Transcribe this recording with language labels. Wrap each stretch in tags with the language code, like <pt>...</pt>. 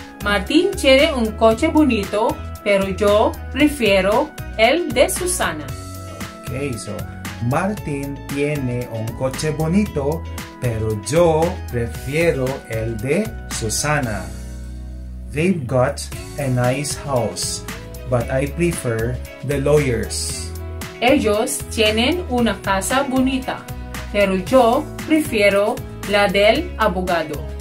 <es>Martín quiere un coche bonito, pero yo prefiero el de Susana. Okay, so Martín tiene un coche bonito, pero yo prefiero el de Susana.</es> <en>They've got a nice house, but I prefer the lawyer's.</en> <es>Ellos tienen una casa bonita, pero yo prefiero la del abogado.</es>